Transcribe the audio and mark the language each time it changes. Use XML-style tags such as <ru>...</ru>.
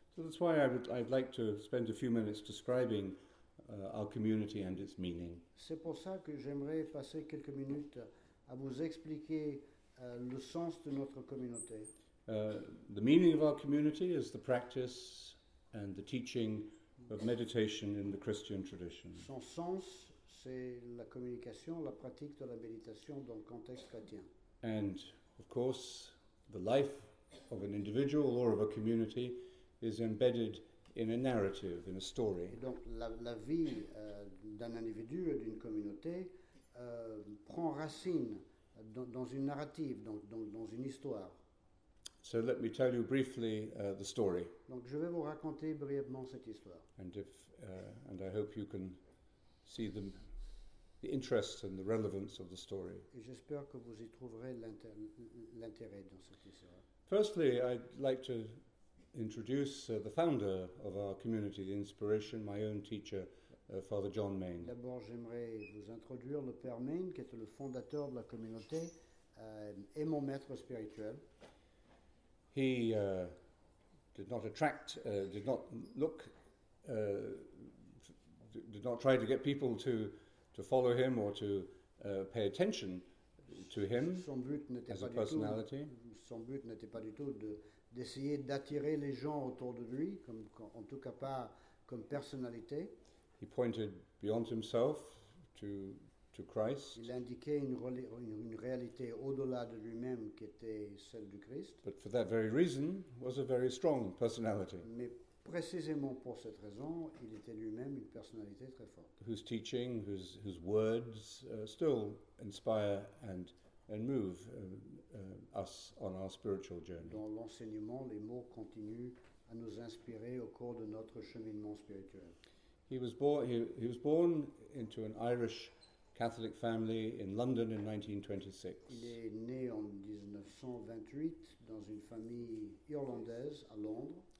<en>So that's why I'd like to spend a few minutes describing our community and its meaning.</en> <fr>C'est pour ça que j'aimerais passer quelques minutes à vous expliquer le sens de notre communauté.</fr> <en>The meaning of our community is the practice and the teaching of meditation in the Christian tradition.</en> <fr>Son sens, c'est la communication, la pratique de la méditation dans le contexte chrétien.</fr> <en>And, of course, the life of an individual or of a community is embedded in a narrative, in a story.</en> <fr>Et donc, la vie d'un individu et d'une communauté prend racine dans une narrative, dans une histoire.</fr> <en>So let me tell you briefly the story.</en> <fr>Donc je vais vous raconter brièvement cette histoire.</fr> <en>And and I hope you can see the interest and the relevance of the story.</en> <fr>Et j'espère que vous y trouverez l'intérêt dans cette histoire.</fr> <en>Firstly, I'd like to introduce the founder of our community, the inspiration, my own teacher, Father John Main.</en> <fr>D'abord, j'aimerais vous introduire le Père Main, qui est le fondateur de la communauté et mon maître spirituel.</fr> <en>He did not look did not try to get people to follow him or to pay attention to him as a personality.</en> <fr>Son but n'était pas du tout d'essayer d'attirer les gens autour de lui, comme, en tout cas pas comme personnalité.</fr> <en>He pointed beyond himself to Christ.</en> <fr>Il indiquait une réalité au-delà de lui-même qui était celle du Christ.</fr> <en>But for that very reason, was a very strong personality.</en> <fr>Mais précisément pour cette raison, il était lui-même une personnalité très forte.</fr> <en>Whose teaching, whose words still inspire and move us on our spiritual journey.</en> <fr>Dans l'enseignement, les mots continuent à nous inspirer au cours de notre cheminement spirituel.</fr> <en>He was born into an Irish Catholic family in London in 1926.</en> <fr>Il est né en 1928 dans une famille irlandaise à Londres.</fr>